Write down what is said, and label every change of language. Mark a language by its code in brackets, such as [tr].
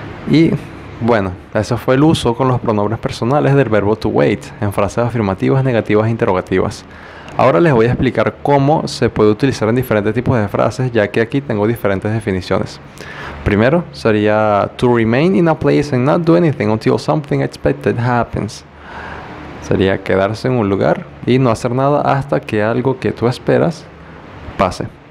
[es] Y bueno, ese fue el uso con los pronombres personales del verbo to wait en frases afirmativas, negativas e interrogativas. Ahora les voy a explicar cómo se puede utilizar en diferentes tipos de frases, ya que aquí tengo diferentes definiciones. Primero sería [en] to remain in a place and not do anything until something expected happens. [es] Sería quedarse en un lugar y no hacer nada hasta que algo que tú esperas pase.